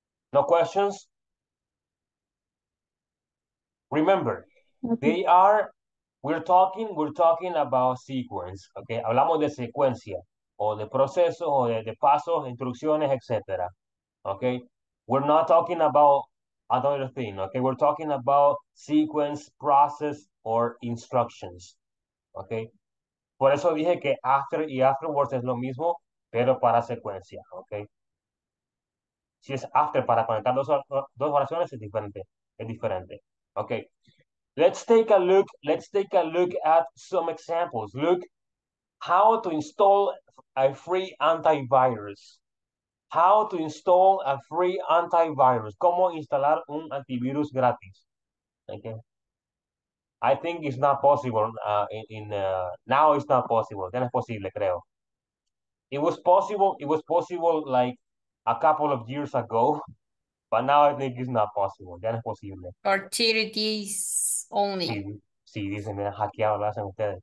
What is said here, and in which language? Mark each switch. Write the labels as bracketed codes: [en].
[en] No questions? Remember, they are, we're talking about sequence, okay? [es] Hablamos de secuencia, o de proceso, o de pasos, instrucciones, etc. [en] Okay? We're not talking about another thing, okay? We're talking about sequence, process, or instructions, okay? [es] Por eso dije que after y afterwards es lo mismo, pero para secuencia, okay? Si es after, para conectar dos oraciones, es diferente. Es diferente. Okay. [en] Let's take a look at some examples. Look, how to install a free antivirus. How to install a free antivirus. [es] ¿Cómo instalar un antivirus gratis? [en] Okay. I think it's not possible. Now it's not possible. Then it's posible, creo. It was possible like a couple of years ago, but now I think it's not possible. [es] Ya no es posible. [en] For charities only. [es] Sí, sí, dicen, mira, hackeado lo hacen ustedes.